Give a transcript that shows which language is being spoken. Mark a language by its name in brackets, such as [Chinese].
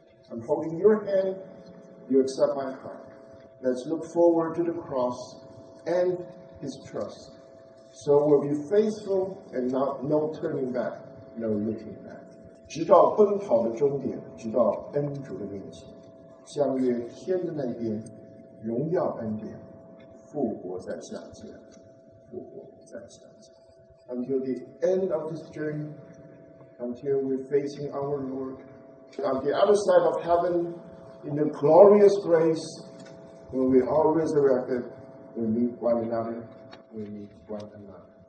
[English] I'm holding your hand, you accept my heart. Let's look forward to the cross and His trust. So we'll be faithful and not no turning back, no looking back. [Chinese] 直到奔跑的终点，直到恩主的面前，相约天的那边，荣耀恩典，复活在下界，复活在下界。 [English] Until the end of this journey, until we're facing our Lord, on the other side of heaven, in the glorious grace, when we all resurrected, we meet one another, we meet one another.